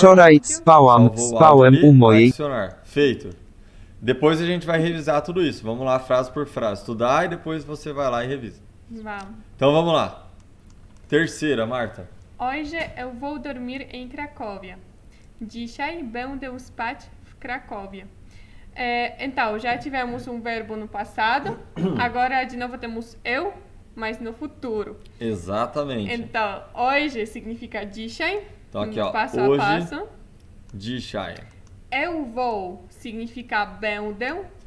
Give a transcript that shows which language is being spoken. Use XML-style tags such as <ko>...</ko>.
<pt>Chorar it spawam Salvou o áudio spawam ali. umoi. Adicionar. Feito. Depois a gente vai revisar tudo isso. Vamos lá, frase por frase. Estudar e depois você vai lá e revisa. Vamos. Então vamos lá. Terceira, Marta. Hoje eu vou dormir em Cracóvia.</pt> <pl>Dzisiaj będę spać w Krakowie.</pl> <pt>É, então, já tivemos um verbo no passado, agora de novo temos eu, mas no futuro. Exatamente. Então, hoje significa dzisiaj, então, aqui, ó, passo hoje, a passo.</pt> <pl>Dzisiaj.</pl> <pt>Eu vou significa będę.</pt>